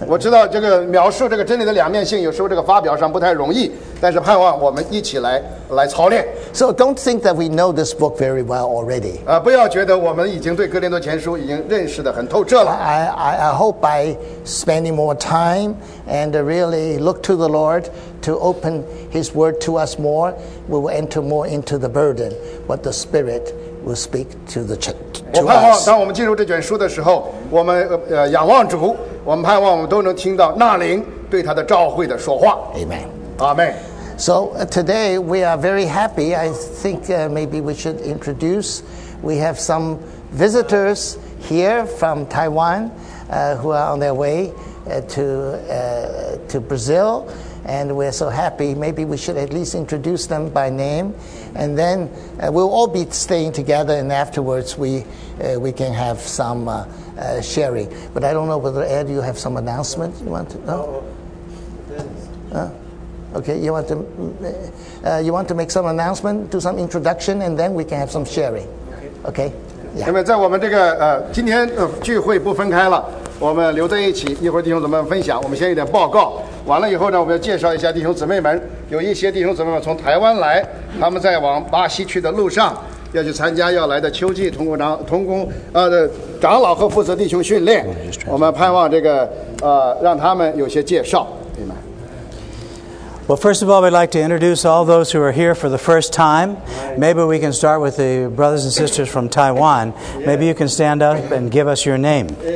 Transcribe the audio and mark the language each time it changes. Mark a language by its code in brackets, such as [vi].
[zh] 我知道这个描述这个真理的两面性，有时候这个发表上不太容易，但是盼望我们一起来操练。 [en] So don't think that we know this book very well already. [zh] 不要觉得我们已经对哥林多前书已经认识得很透彻了。 [en] I hope by spending more time and really look to the Lord to open His Word to us more, we will enter more into the burden what the Spirit will speak to the church. [zh] 我盼望当我们进入这卷书的时候，我们仰望主，我们盼望我们都能听到那灵对他的召会的说话。 [en] Amen. Amen. So today we are very happy. I think maybe we should introduce. We have some visitors here from Taiwan who are on their way to Brazil, and we're so happy. Maybe we should at least introduce them by name. And then we'll all be staying together, and afterwards we can have some sharing. But I don't know whether Ed, you have some announcement you want to? No. Okay, you want to make some announcement, do some introduction, and then we can have some sharing. Okay. Yeah. [zh] 那么在我们这个今天聚会不分开了，我们留在一起，一会儿弟兄姊妹分享。我们先一点报告，完了以后呢，我们要介绍一下弟兄姊妹们。有一些弟兄姊妹们从台湾来，他们在往巴西去的路上，要去参加要来的秋季通工长老和负责弟兄训练。我们盼望这个让他们有些介绍。 [en] Well, first of all, we'd like to introduce all those who are here for the first time. Maybe we can start with the brothers and sisters from Taiwan. Maybe you can stand up and give us your name.